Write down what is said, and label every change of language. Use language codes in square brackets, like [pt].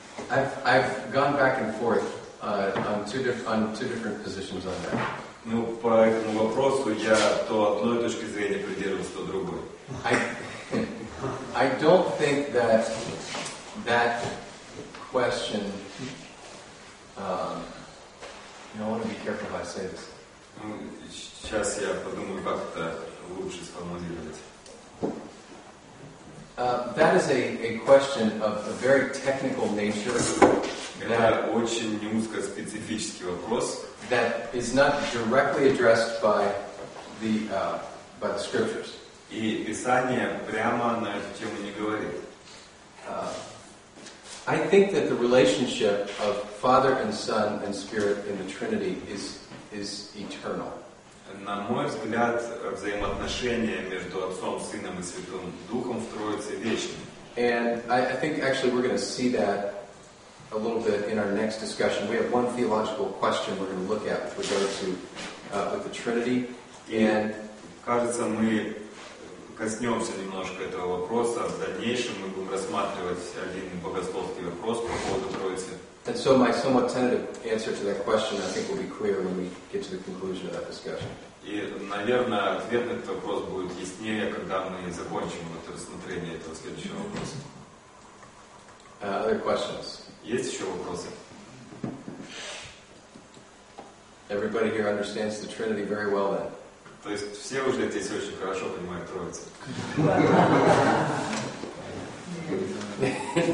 [en] I've gone back and forth on two different positions on that. [ru] Ну, по этому вопросу я то одной точки зрения придерживаюсь, то другой. [en] I don't think that question. I want to be careful how I say this. [ru] Ну, сейчас я подумаю, как это лучше сформулировать. [en] That is a question of a very technical nature. [ru] Это очень не узко специфический вопрос. [en] That is not directly addressed by the scriptures. [ru] И Писание прямо на эту тему не говорит. [en] I think that the relationship of Father and Son and Spirit in the Trinity is eternal. [ru] На мой взгляд, взаимоотношения между Отцом, Сыном и Святым Духом в Троице вечны. [en] And I think actually we're going to see that a little bit in our next discussion. We have one theological question we're going to look at with regard to with the Trinity. And [ru] кажется, мы коснемся немножко этого вопроса. В дальнейшем мы будем рассматривать один богословский вопрос по поводу Троицы. [en] And so my somewhat tentative answer to that question, I think, will be clear when we get to the conclusion of that discussion. [ru] И, наверное, ответ на этот вопрос будет яснее, когда мы закончим это рассмотрение этого следующего вопроса. [en] Other questions? [ru] Есть еще вопросы? [en] Everybody here understands the Trinity very well, then. [ru] То есть все уже здесь очень хорошо понимают Троицу.